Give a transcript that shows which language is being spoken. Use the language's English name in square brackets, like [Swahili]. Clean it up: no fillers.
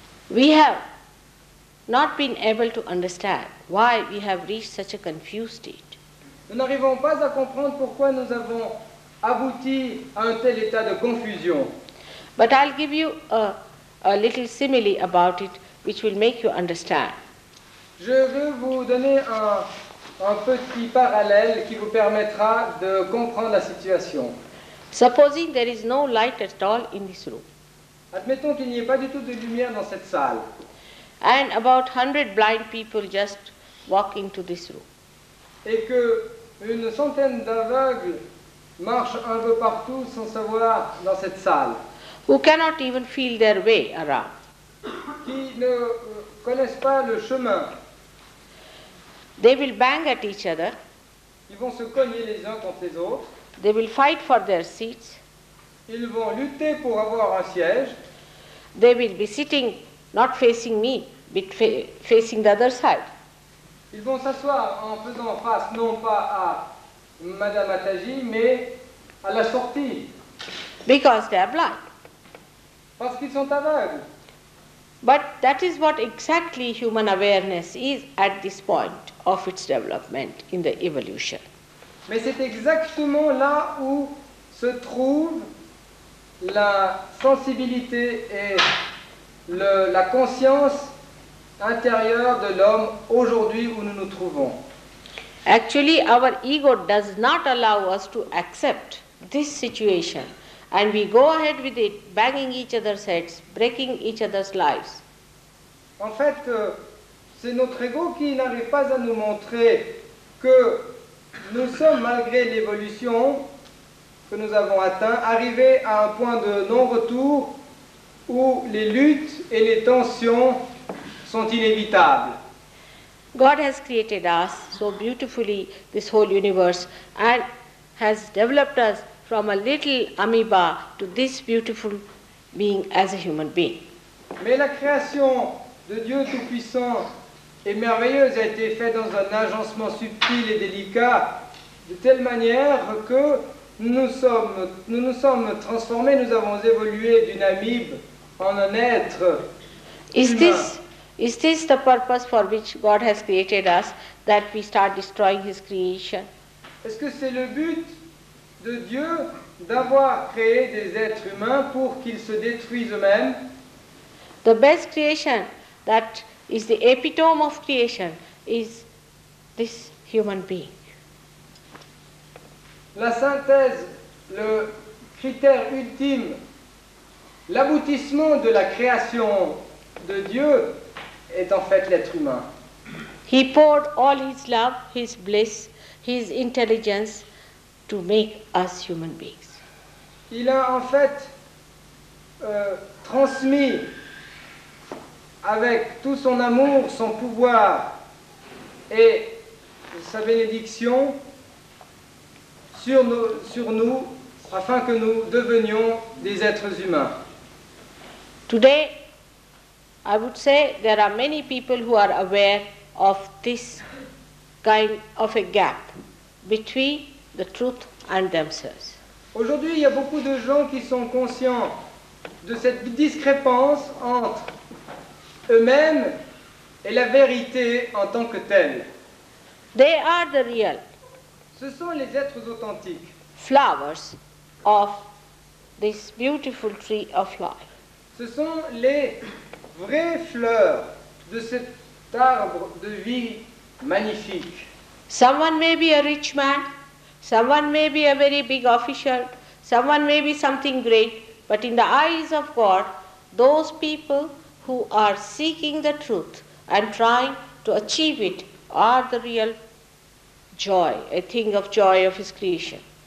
[English] We have not been able to understand why we have reached such a confused state. [French] Nous n'arrivons pas à comprendre pourquoi nous avons abouti à un tel état de confusion. [English] But I'll give you a little simile about it which will make you understand. [French] Je veux vous donner un petit parallèle qui vous permettra de comprendre la situation. [English] Supposing there is no light at all in this room. [French] Admettons qu'il n'y ait pas du tout de lumière dans cette salle. [English] And about 100 blind people just walk into this room. [French] Et que une centaine d'aveugles marchent un peu partout sans savoir dans cette salle. [English] Who cannot even feel their way around. [French] Qui ne connaissent pas le chemin. [English] They will bang at each other. [French] Ils vont se cogner les uns contre les autres. [English] They will fight for their seats. [French] Ils vont lutter pour avoir un siège. [English] They will be sitting, not facing me, but facing the other side. [French] Ils vont s'asseoir en faisant face non pas à Madame Ataji, mais à la sortie. [English] Because they are blind. [French] Parce qu'ils sont aveugles. [English] But that is what exactly human awareness is at this point of its development in the evolution. [French] Mais c'est exactement là où se trouve la sensibilité et la conscience intérieure de l'homme aujourd'hui où nous nous trouvons. [English] Actually, our ego does not allow us to accept this situation, and we go ahead with it, banging each other's heads, breaking each other's lives. [French] En fait, c'est notre ego qui n'arrive pas à nous montrer que nous sommes, malgré l'évolution que nous avons atteint, arrivés à un point de non-retour où les luttes et les tensions sont inévitables. [English] God has created us so beautifully, this whole universe, and has developed us from a little amoeba to this beautiful being as a human being. [French] Mais la création de Dieu Tout-Puissant et merveilleuse a été faite dans un agencement subtil et délicat, de telle manière que nous sommes transformés, nous avons évolué d'une amibe en un être humain. [English] Is this the purpose for which God has created us, that we start destroying His creation? [French] Est-ce que c'est le but de Dieu d'avoir créé des êtres humains pour qu'ils se détruisent eux-mêmes? [English] The best creation that is the epitome of creation is this human being. [French] La synthèse, le critère ultime, l'aboutissement de la création de Dieu est en fait l'être humain. [English] He poured all his love, his bliss, his intelligence to make us human beings. [French] Il a en fait transmis avec tout son amour, son pouvoir et sa bénédiction sur nous afin que nous devenions des êtres humains. [English] Today, I would say there are many people who are aware of this kind of a gap between the truth and themselves. [French] Aujourd'hui, il y a beaucoup de gens qui sont conscients de cette discrépance entre eux-mêmes et la vérité en tant que telle. [English] They are the real. [French] Ce sont les êtres authentiques. [English] Flowers of this beautiful tree of life. [French] Ce sont les vraies fleurs de cet arbre de vie magnifique. [English] Someone may be a rich man, someone may be a very big official, someone may be something great, but in the eyes of God, those people who are seeking the truth and trying to achieve it are the real joy, a thing of joy of His creation.